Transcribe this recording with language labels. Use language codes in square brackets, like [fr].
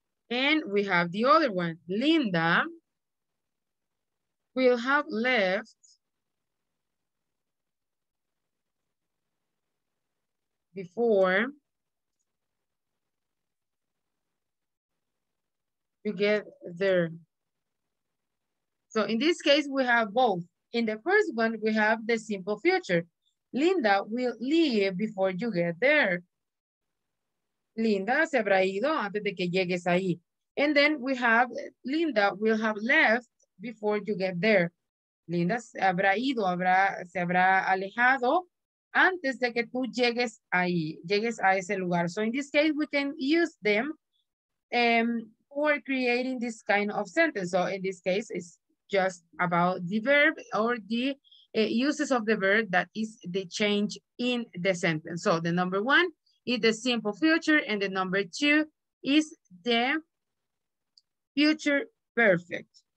[en] And we have the other one. Linda will have left before you get there. So in this case, we have both. In the first one, we have the simple future. Linda will leave before you get there. [es] Linda se habrá ido antes de que llegues ahí. [en] And then we have Linda will have left before you get there. [es] Linda se habrá ido, se habrá alejado antes de que tú llegues ahí, llegues a ese lugar. [en] So in this case, we can use them for creating this kind of sentence. So in this case, it's just about the verb or the uses of the verb that is the change in the sentence. So the number one is the simple future and the number two is the future perfect.